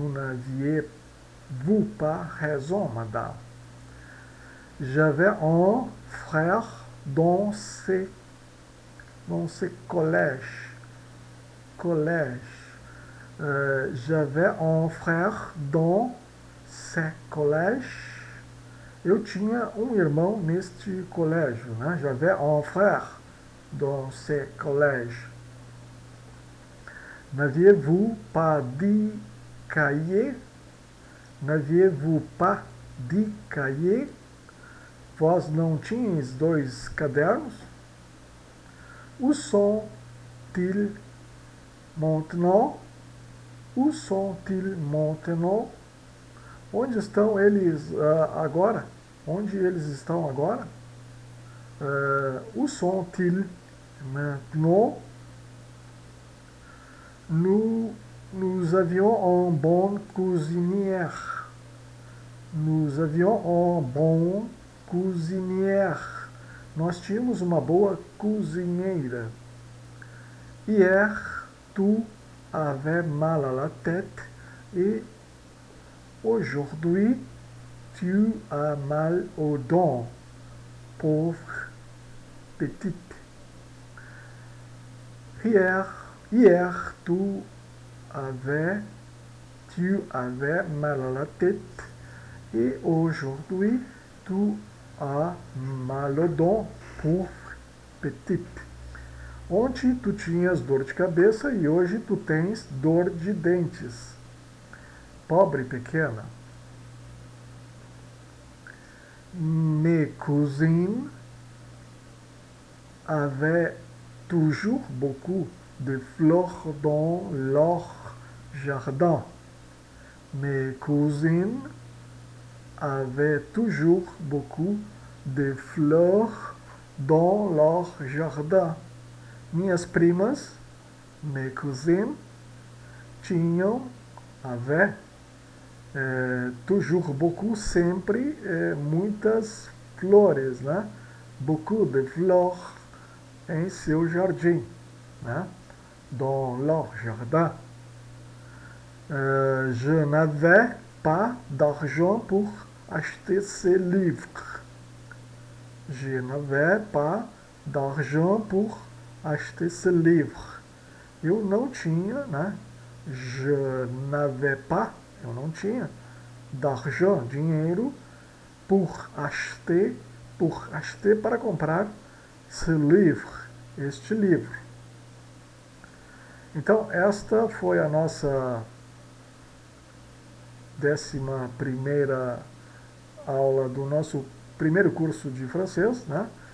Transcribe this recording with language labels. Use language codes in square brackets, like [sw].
[fr] N'aviez-vous pas raison, madame? J'avais un frère dans ce collège. Collège. J'avais un frère dans ce collège. [pt] Eu tinha um irmão neste colégio, né? [fr] J'avais un frère dans ce collège. N'aviez-vous pas de cahier? N'aviez-vous pas de cahier? [pt] Vós não tinhas dois cadernos? [fr] Où sont-ils maintenant? Où sont-ils maintenant? [pt] Onde estão eles agora? Onde eles estão agora? [fr] Où sont-ils maintenant? Nous avions un bon cuisinier. Nous avions un bon cuisinier. [pt] Nós tínhamos uma boa cozinheira. [fr] Hier, tu avais mal à la tête. E aujourd'hui, tu as mal aux dents. Pauvre petite. Hier, tu avais mal à la tête. E aujourd'hui, tu a malodon pour petit. [pt] Ontem tu tinhas dor de cabeça e hoje tu tens dor de dentes. Pobre pequena. [fr] Mes cousines avaient toujours beaucoup de fleurs dans leur jardin. Mes cousines avaient toujours beaucoup de fleurs dans leur jardin. [pt] Minhas primas, [fr] mes cousines, [pt] tinham, avaient, [fr] toujours beaucoup, [pt] sempre, muitas flores, né? [fr] Beaucoup de fleurs [pt] em seu jardim, né? [fr] Dans leur jardin. Je n'avais pas d'argent pour acheter ces livres. Je n'avais pas d'argent pour acheter ce livre. [pt] Eu não tinha, né? [fr] Je n'avais pas, [pt] eu não tinha, [fr] d'argent, dinheiro, pour acheter [pt] para comprar [fr] ce livre, [pt] este livro. Então, esta foi a nossa 11ª aula do nosso primeiro curso de francês, né?